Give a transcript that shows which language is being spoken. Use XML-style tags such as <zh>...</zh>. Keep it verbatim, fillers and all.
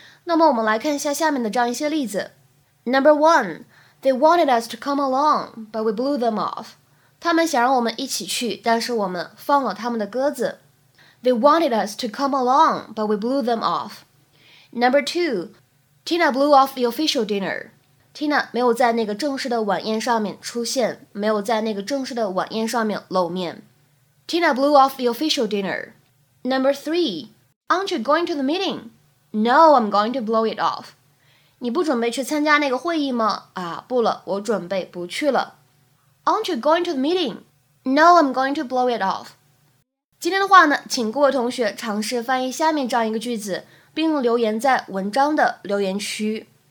<zh>那么我们来看一下下面的这样一些例子。</zh> <en>Number one, they wanted us to come along, but we blew them off.</en> <zh>他们想让我们一起去，但是我们放了他们的鸽子。</zh> <en>They wanted us to come along, but we blew them off. Number two, Tina blew off the official dinner.</en> <zh>Tina 没有在那个正式的晚宴上面出现，没有在那个正式的晚宴上面露面。</zh> <en>Tina blew off the official dinner. Number three, aren't you going to the meeting? No, I'm going to blow it off.</en> <zh>你不准备去参加那个会议吗？啊，不了，我准备不去了。</zh> <en>Aren't you going to the meeting? No, I'm going to blow it off.</en> <zh>今天的话呢，请各位同学尝试翻译下面这样一个句子，并留言在文章的留言区。</zh>